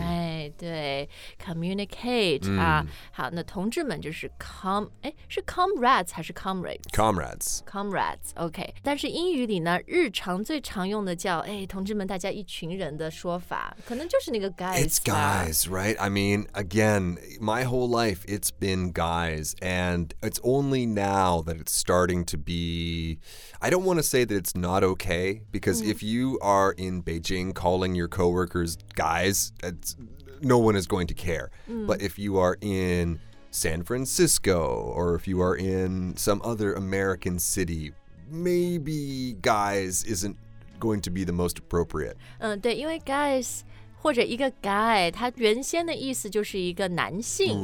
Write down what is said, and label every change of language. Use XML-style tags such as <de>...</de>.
<zh>哎，对 ，communicate、啊。好，那同志们就是 是 comrades 还是 comrades?</zh> <en>Comrades. Comrades, OK.</en> <zh>但是英语里呢，日常最常用的叫哎，同志们，大家一群人的说法，可能就是那个 guys,</zh> <en>it's guys, right? I mean, again, my whole life it's been guys, and it's only now that it's starting to be. I don't want to say that it's not okay, because、if you are in Beijing calling your coworkers guys, no one is going to care.、But if you are in San Francisco or if you are in some other American city, maybe guys isn't going to be the most appropriate.</en> <zh>对，因为 guys. 或者一个 guy, 他原先的意思就是一个男性。</zh>